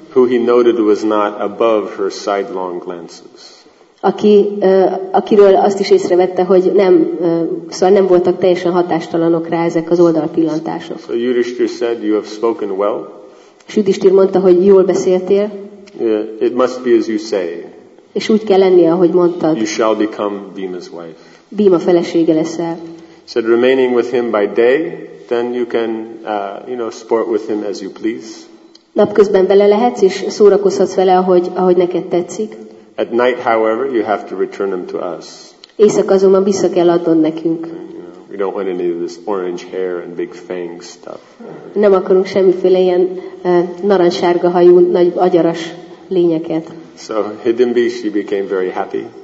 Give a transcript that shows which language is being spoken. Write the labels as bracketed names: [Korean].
[English] Who he noted was not above her sidelong glances. [Hungarian] Akiről azt is észrevette, hogy nem voltak teljesen hatástalanok rá ezek az oldalpillantások. [English] So Yudhishthir said, "You have spoken well." [Hungarian] Yudhishthir mondta, hogy jól beszéltél. [English] Yeah, it must be as you say. [Hungarian] És úgy kell lennie, ahogy mondtad. [English] You shall become Bhima's wife. [Hungarian] Bhima felesége leszel. [English] Said, remaining with him by day, then you can, sport with him as you please. [Hungarian] Napközben vele lehetsz, és szórakozhatsz vele, ahogy neked tetszik. [English] At night, however, you have to return him to us. [Hungarian] Éjszaka azonban vissza kell adnod nekünk. [English] We don't want any of this orange hair and big fangs stuff. [Hungarian] Nem akarunk semmiféle ilyen narancssárga hajú, nagy agyaras lényeket. [English] So Hidimbi, she became very happy.